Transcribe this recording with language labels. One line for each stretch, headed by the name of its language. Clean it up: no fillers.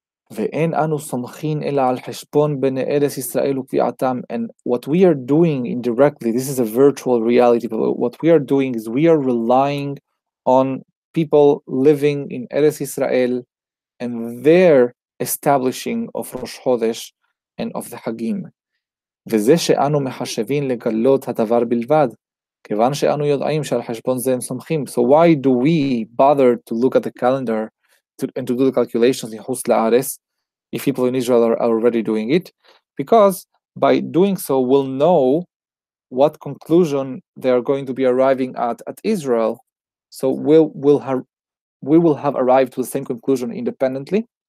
English: And what we are doing indirectly, this is a virtual reality, but what we are doing is we are relying on people living in Eretz Yisrael and their establishing of Rosh Chodesh. and of the Hagim.
Hebrew: וזה שאנו מחשבים לגלות הדבר בלבד, כיוון שאנו יודעים שעל חשבון זה הם סומכים.
English: So why do we bother to look at the calendar and to do the calculations in Chutz La'aretz if people in Israel are already doing it? Because by doing so, we'll know what conclusion they are going to be arriving at Israel. So we will have arrived to the same conclusion independently.